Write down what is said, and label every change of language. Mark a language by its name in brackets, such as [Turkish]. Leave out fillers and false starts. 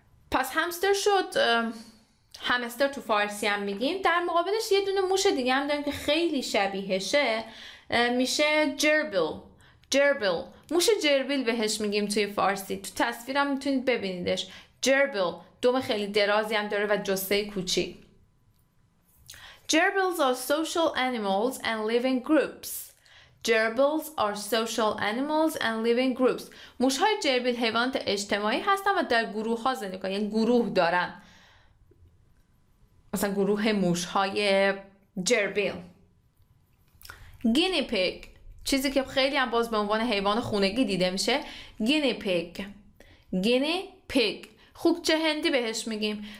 [Persian] پس همستر شد. همستر تو فارسی هم میگیم. در مقابلش یه دونه موش دیگه هم داریم که خیلی شبیهشه، میشه جربل. موش جربل بهش میگیم توی فارسی. تو تصویرم میتونید ببینیدش. جربل دوم خیلی درازی هم داره و جثه کوچی. [English] Gerbils are social animals and live in groups. Gerbils are social animals and live in groups. [Persian] موش‌های جربیل حیوانات اجتماعی هستن و در گروه‌ها زندگی می‌کنن. یعنی گروه دارن. مثلا گروه موش‌های جربیل. Guinea pig. چیزی که خیلی هم باز به عنوان حیوان خونگی دیده میشه. Guinea pig. Guinea pig. خوب چه هندی بهش میگیم.